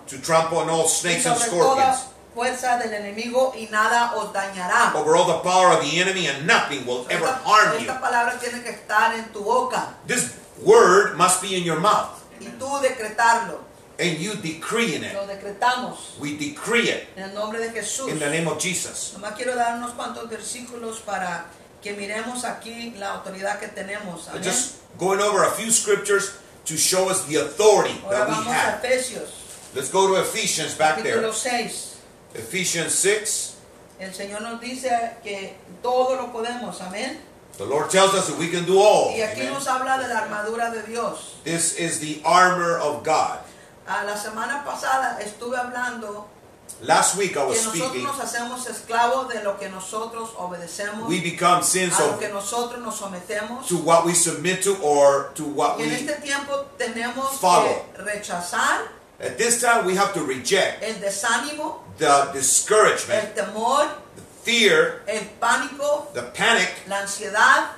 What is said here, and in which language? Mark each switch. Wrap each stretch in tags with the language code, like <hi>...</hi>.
<en>To trample on all snakes</en> <es>y sobre</es> <en>and scorpions.</en> <es>Toda fuerza del enemigo y nada os dañará.</es> <en>Over all the power of the enemy and nothing will ever harm</en> <es>esta</es> <en>you.</en> <es>Esta palabra tiene que estar en tu boca.</es> <en>This word must be in your mouth.</en> <es>Y tú decretarlo.</es> <en>And you decreeing it.</en> <es>Lo decretamos.</es> <en>We decree it.</en> <es>En el nombre de Jesús.</es> <en>In the name of Jesus.</en> <es>Nomás quiero dar unos cuantos versículos para que miremos aquí la autoridad que tenemos.</es> <en>Amen. Just going over a few scriptures to show us the authority</en> <es>ahora</es> <en>that we</en> <es>vamos</es> <en>have.</en> <es>A Efesios.</es> <en>Let's go to Ephesians back</en> <es>capítulo Capítulo 6.</es> <en>Ephesians 6.</en> <es>El Señor nos dice que todo lo podemos. Amén.</es> <en>The Lord tells us that we can do all.</en> <es>Y aquí nos habla de la armadura de Dios.</es> <en>This is the armor of God.</en> <es>A la semana pasada estuve hablando.</es> <en>Last week I was speaking.</en> <es>Que nosotros nos hacemos esclavos de lo que nosotros obedecemos.</es> <en>We become sins of.</en> <es>A lo que nosotros nos sometemos.</es> <en>To what we submit to or to what we follow.</en> <es>En este tiempo tenemos</es> <en>follow.</en> <es>Que rechazar.</es> <en>At this time we have to reject.</en> <es>El desánimo.</es> <en>The discouragement.</en> <es>El temor.</es> <en>The fear,</en> <es>el pánico,</es> <en>the panic,</en> <es>la ansiedad,</es>